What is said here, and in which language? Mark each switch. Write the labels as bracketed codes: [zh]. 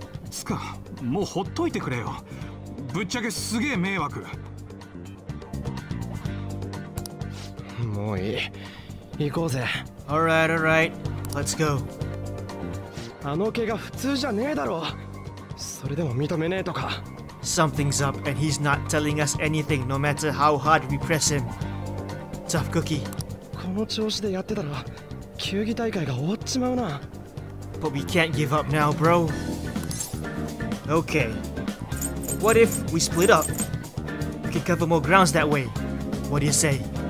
[ja] つか、もうほっといてくれよ。ぶっちゃけすげえ迷惑。もういい。行こうぜ。 [en] Alright, alright. Let's go. [ja] あの怪我普通じゃねえだろ。それでも認めねえとか。 [en] Something's up, and he's not telling us anything, no matter how hard we press him. Tough cookie. [ja] この調子でやってたら、球技大会が終わっちまうな。 [en] But we can't give up now, bro. Okay. What if we split up? We can cover more grounds that way. What do you say?